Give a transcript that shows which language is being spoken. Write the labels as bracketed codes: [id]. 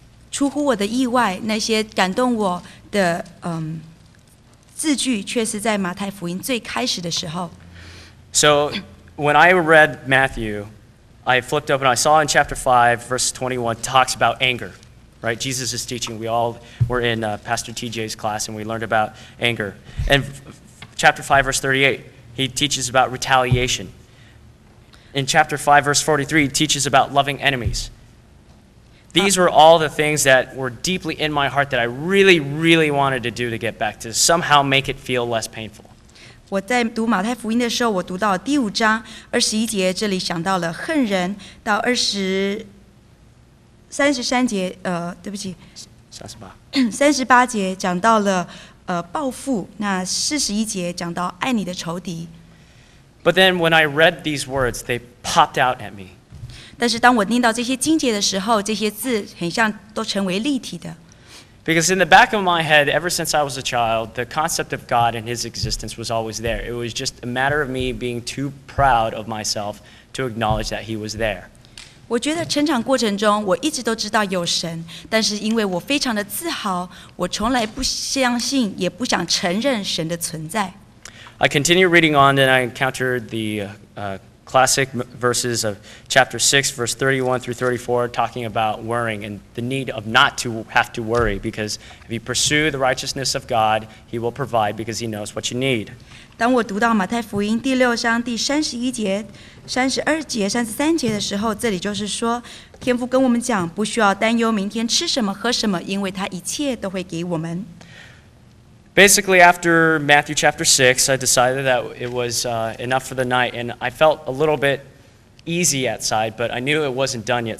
[zh] 出乎我的意外，那些感动我的字句，却是在马太福音最开始的时候。 [en] So when I read Matthew, I flipped up and I saw in chapter 5, verse 21, talks about anger, right? Jesus is teaching. We all were in Pastor TJ's class and we learned about anger. And chapter 5, verse 38, he teaches about retaliation. In chapter 5, verse 43, he teaches about loving enemies. These were all the things that were deeply in my heart that I really, really wanted to do to get back to somehow make it feel less painful. [zh] 我在读马太福音的时候，我读到第五章二十一节，这里想到了恨人，到二十三十三节，对不起，三十八节讲到了报复，那四十一节讲到爱你的仇敌。 [en] But then when I read these words, they popped out at me. [zh] 但是当我念到这些经节的时候，这些字很像都成为立体的。 [en] Because in the back of my head, ever since I was a child, the concept of God and His existence was always there. It was just a matter of me being too proud of myself to acknowledge that He was there. [zh] 我觉得成长过程中，我一直都知道有神，但是因为我非常的自豪，我从来不相信，也不想承认神的存在。 [en] I continued reading on, and I encountered the classic verses of chapter 6, verse 31 through 34, talking about worrying and the need of not to have to worry, because if you pursue the righteousness of God, He will provide because He knows what you need. [zh] 当我读到马太福音第六章第三十一节、三十二节、三十三节的时候，这里就是说，天父跟我们讲，不需要担忧明天吃什么、喝什么，因为他一切都会给我们。 [en] Basically, after Matthew chapter 6, I decided that it was enough for the night, and I felt a little bit easy outside, but I knew it wasn't done yet.